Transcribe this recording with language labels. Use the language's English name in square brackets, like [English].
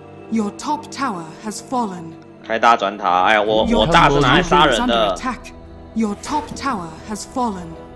[English] Your top tower has fallen. [Chinese] 开大转塔，哎呀，我大是拿来杀人的。 [English] Your top tower has fallen.